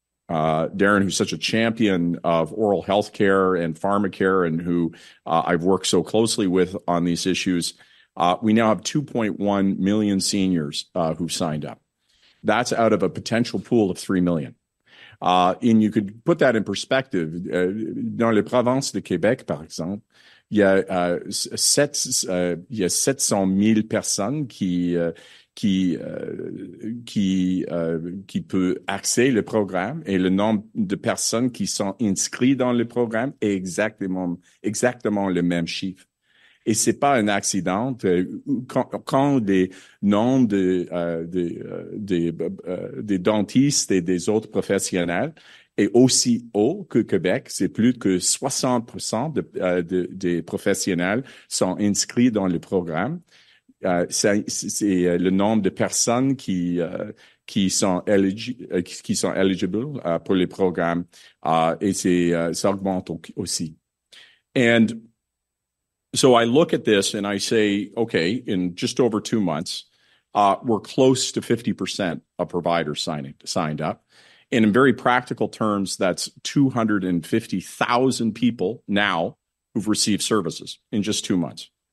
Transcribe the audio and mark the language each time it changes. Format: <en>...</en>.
<en>Darren, who's such a champion of oral health care and pharmacare, and who I've worked so closely with on these issues, we now have 2.1 million seniors who've signed up. That's out of a potential pool of 3 million. And you could put that in perspective.</en> <fr>Dans les provinces de Québec, par exemple, il y a 700 000 personnes qui peut accéder le programme, et le nombre de personnes qui sont inscrites dans le programme est exactement le même chiffre. Et c'est pas un accident. Quand les noms des dentistes et des autres professionnels est aussi haut que Québec, c'est plus que 60% des professionnels sont inscrits dans le programme. C'est le nombre de personnes qui sont éligibles pour les programmes, et c'est ça augmente aussi.</fr> <en>And so I look at this and I say, okay, in just over 2 months, we're close to 50% of providers signed up. in very practical terms, that's 250,000 people now who've received services in just 2 months.</en>